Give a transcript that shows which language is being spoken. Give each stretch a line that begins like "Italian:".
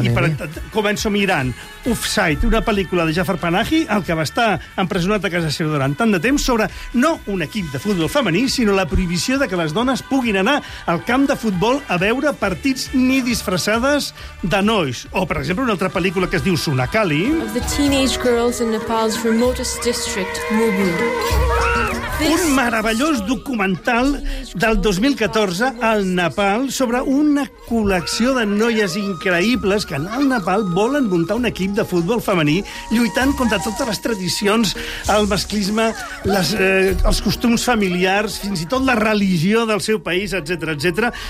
Catalan: I per tant, començo mirant Offside, una pel·lícula de Jafar Panahi, el que va estar empresonat a casa seva durant tant de temps, sobre no un equip de futbol femení, sinó la prohibició de que les dones puguin anar al camp de futbol a veure partits ni disfressades de nois. O, per exemple, una altra pel·lícula que es diu Sunakali.
English: Of the teenage girls in Nepal's remotest district, Mubu.
Catalan: un meravellós documental del 2014 al Nepal sobre una col·lecció de noies increïbles que al Nepal volen muntar un equip de futbol femení lluitant contra totes les tradicions, el masclisme, els costums familiars, fins i tot la religió del seu país, etc, etc.